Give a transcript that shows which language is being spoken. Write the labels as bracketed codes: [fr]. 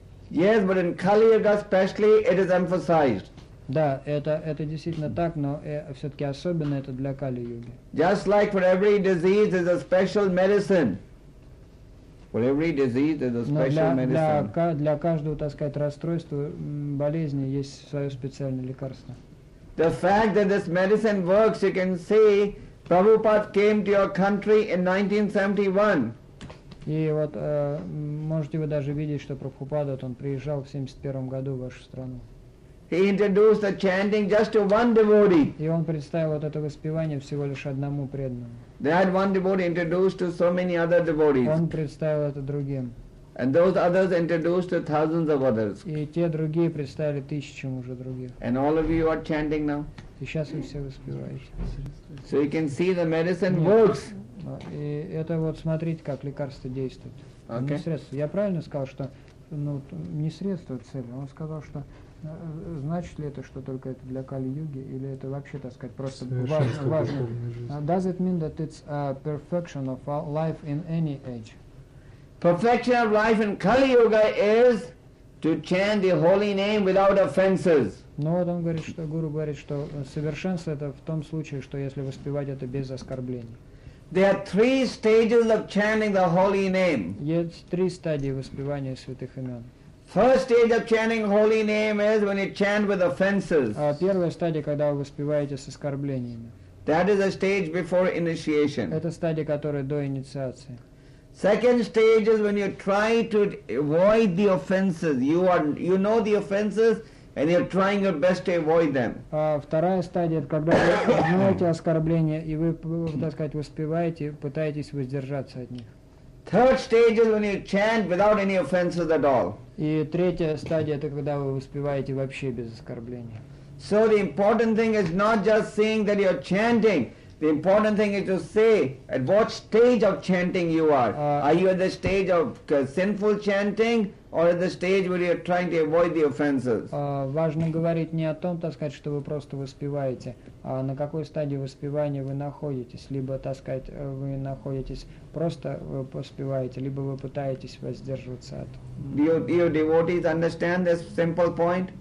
[en] Yes, but in Kali-yuga especially it is emphasized. [ru] Да, это действительно так, но все-таки особенно это для Кали-юги. [en] Just like for every disease is a special medicine. For every disease there's a special medicine. [ru] Для каждого, так сказать, расстройства, болезни есть свое специальное лекарство. [en] The fact that this medicine works, you can see, Prabhupada came to your country in 1971. [ru] И вот можете вы даже видеть, что Прабхупада, он приезжал в 71 году в вашу страну. [en] He introduced the chanting just to one devotee. [ru] И он представил вот это воспевание всего лишь одному преданному. [en] That one devotee introduced to so many other devotees. [ru] Он представил это другим. [en] And those others introduced to thousands of others. [ru] И те другие представили тысячам уже других. [en] And all of you are chanting now. [ru] И сейчас вы все воспеваете. [en] So you can see the medicine works. [ru] И это вот смотрите, как лекарство действует. [en] Okay. [ru] Не средство. Я правильно сказал, что ну не средство цели. Он сказал, что значит ли это, что только это для Кали-юги, или это вообще, так сказать, просто важно? [en] Does it mean that it's a perfection of life in any age? Perfection of life in Kali-yuga is to chant the holy name without offenses. [ru] Ну вот он говорит, что гуру говорит, что совершенство это в том случае, что если воспевать это без оскорблений. [en] There are three stages of chanting the holy name. [ru] Есть три стадии воспевания святых имен. [en] First stage of chanting holy name is when you chant with offenses. [ru] Первая стадия, когда вы воспеваете с оскорблениями. [en] That is a stage before initiation. [ru] Это стадия, которая до инициации. [en] Second stage is when you try to avoid the offenses. You know the offenses and you're trying your best to avoid them. [ru] Вторая стадия, это когда вы знаете оскорбления и вы, так сказать, воспеваете, пытаетесь воздержаться от них. [en] Third stage is when you chant without any offenses at all. [ru] И третья стадия, это когда вы воспеваете вообще без оскорбления. [en] So the important thing is not just saying that you're chanting. The important thing is to say at what stage of chanting you are. Are you at the stage of sinful chanting or at the stage where you're trying to avoid the offenses? [ru] Важно говорить не о том, так сказать, что вы просто воспеваете, а на какой стадии воспевания вы находитесь. Либо, так сказать, вы находитесь просто воспеваете, либо вы пытаетесь воздерживаться от. [en] Do you devotees understand this simple point?